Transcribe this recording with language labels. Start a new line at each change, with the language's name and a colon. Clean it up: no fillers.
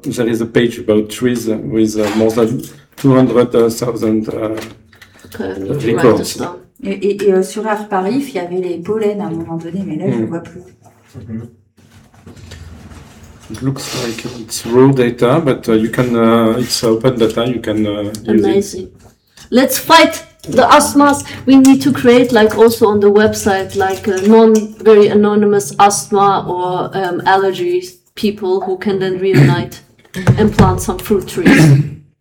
English: There is a page about trees with more than 200,000 records.
French: Et sur Art Paris, il y avait les pollens à un moment donné, mais là je vois plus.
English: It looks like it's raw data, but you can, it's open data, you can use it. Amazing. Let's fight the asthmas. We need to create, like, also on the website, like, very anonymous asthma or allergy people who can then reunite and plant some fruit trees.